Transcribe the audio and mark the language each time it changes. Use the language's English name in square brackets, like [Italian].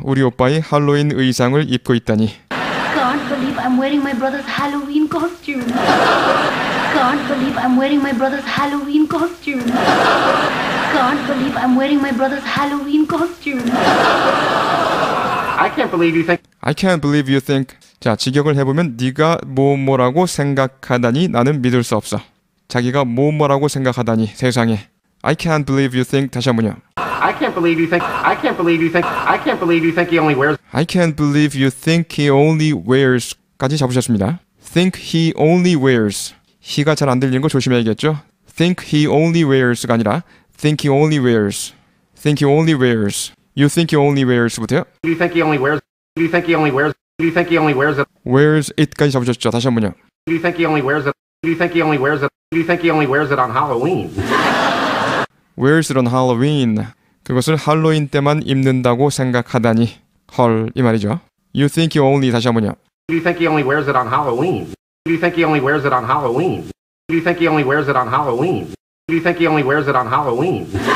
[Korean] 우리 오빠의 할로윈 의상을 입고 있다니. [English] Can't believe I'm wearing my brother's Halloween costume. Can't believe I'm wearing my brother's Halloween costume. Can't believe I'm wearing my brother's Halloween costume. I can't believe you think. I can't believe you think. [Korean] 자, 직역을 해보면 네가 뭐뭐라고 생각하다니 나는 믿을 수 없어. 자기가 뭐뭐라고 생각하다니 세상에. [English] I can't believe you think. [Korean] 다시 한 번요. [English] I can't believe you think. I can't believe you think. I can't believe you think he only wears. I can't believe you think he only wears. [Korean] 까지 잡으셨습니다. [English] Think he only wears. [Korean] He가 잘 안 들리는 거 조심해야겠죠. [English] Think he only wears가 아니라 think he only wears. Think he only wears. You think he only wears부터요. You think he only wears. You think he only wears. You think he only wears it. Wears it [Korean] 까지 잡으셨죠. 다시 한 번요. [English] You think he only wears it. You think he only wears it. You think he only wears it on Halloween. Wears it on Halloween. [Korean] 그것을 할로윈 때만 입는다고 생각하다니. 헐, 이 말이죠. [English] You think he only, [Korean] 다시 한 번요. [English] You think he only wears it on Halloween. You think he only wears it on Halloween. You think he only wears it on Halloween. You think he only wears it on Halloween.